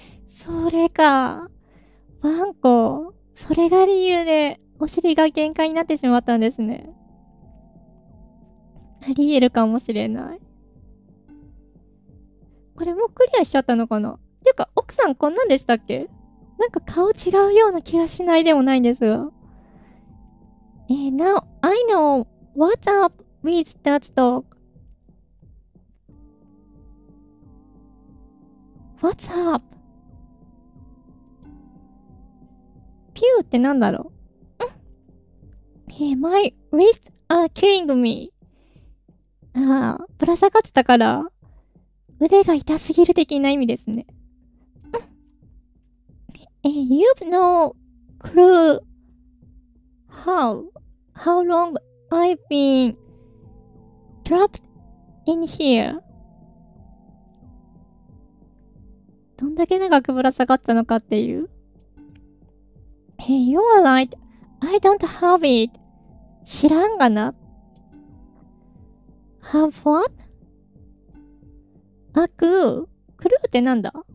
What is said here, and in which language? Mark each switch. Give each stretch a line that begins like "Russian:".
Japanese: それかワンコ、それが理由でお尻が限界になってしまったんですね。あり得るかもしれない。これもうクリアしちゃったのかな。てか奥さんこんなんでしたっけ。なんか顔違うような気がしないでもないんですが。
English: Now I know what's up with that dog. What's up?
Japanese: ピューってなんだろう。
English: My wrists are killing me.
Japanese: ああ、ぶら下がってたから、腕が痛すぎる的な意味ですね。
English: You've no clue how long I've been trapped in here.
Japanese: どんだけ長くぶら下がったのかっていう。
English: You are right, I don't have it.
Japanese: 知らんがな。
English: Have what? A clue?
Japanese: クルーってなんだ？